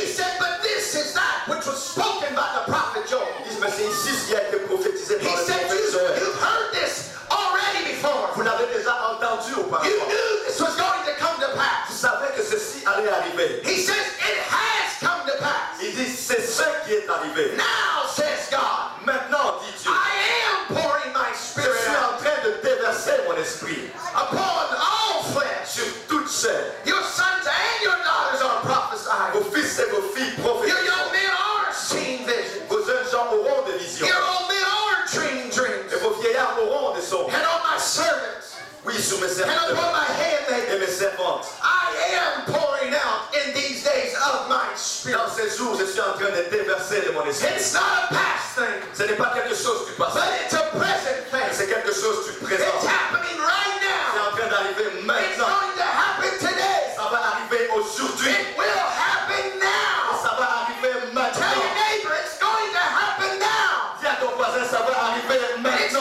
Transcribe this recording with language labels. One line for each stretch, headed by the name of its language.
English: He said, but this is that which was spoken by the prophet Joel.
French: Il dit, mais c'est ici ce qui a été prophétisé par le prophète
English: Joel. You've heard this already before.
French: Vous l'avez déjà entendu auparavant.
English: You knew this was going to come to pass.
French: Vous savez que ceci allait arriver.
English: He says, it has come to pass.
French: Il dit, c'est ce qui est arrivé.
English: Now, says God.
French: Maintenant, dit Dieu.
English: I am pouring my spirit.
French: Je suis en train de déverser mon esprit.
English: Upon all flesh.
French: Sur toute chair.
English: Your sons and your daughters are prophesying.
French: Vos fils et vos filles prophétisent.
English: Your young men are seeing visions.
French: Vos jeunes gens auront des visions.
English: Your old men are dreaming dreams.
French: Et vos vieillards auront des songes.
English: And on my servants.
French: Oui, sur mes servants.
English: And upon my handmaids.
French: Et mes servantes.
English: I am pouring out in these days of my spirit.
French: Dans ces jours, je suis en train de déverser de mon esprit.
English: It's not a past.
French: Ce n'est pas quelque chose du passé.
English: But it's a present thing.
French: C'est quelque chose du présent.
English: It's happening right now.
French: C'est en train d'arriver maintenant.
English: It's going to happen today.
French: Ça va arriver aujourd'hui.
English: It will happen now.
French: Ça va arriver maintenant.
English: Tell your neighbor it's going to happen now.
French: Dis à ton voisin, ça va arriver maintenant.